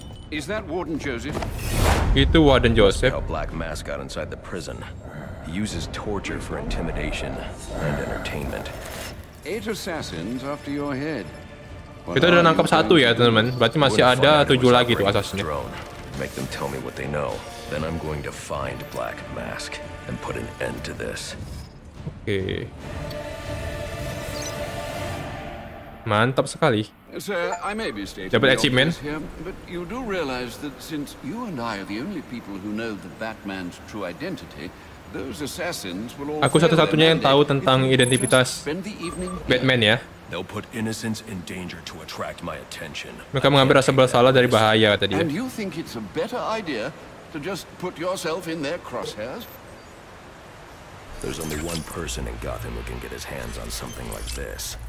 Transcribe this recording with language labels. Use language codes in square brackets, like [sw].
[en] Is that Warden Joseph? [id] Itu Warden Joseph. [en] How Black Mask got inside the prison. He uses torture for intimidation and entertainment. Eight assassins after your head. [id] Kita udah nangkap satu ya teman-teman. Berarti masih ada 7 lagi tuh asasinnya. [en] Make them tell me what they know. Then I'm going to find Black Mask and put an end to this. [id] Oke. Mantap sekali. [en] Sir, I may be stating. [id] Dapat achievement. [en] But you do realize that since you and I are the only people who know the Batman's true identity, those assassins will all. [id] Aku satu-satunya yang tahu tentang identitas Batman ya. [en] They'll put innocence in danger to attract my attention. [id] Mereka mengambil rasa bersalah dari bahaya tadi. [en] And you think it's a better idea to just put yourself in their crosshairs? There's only one person in Gotham who can get his hands on something like this.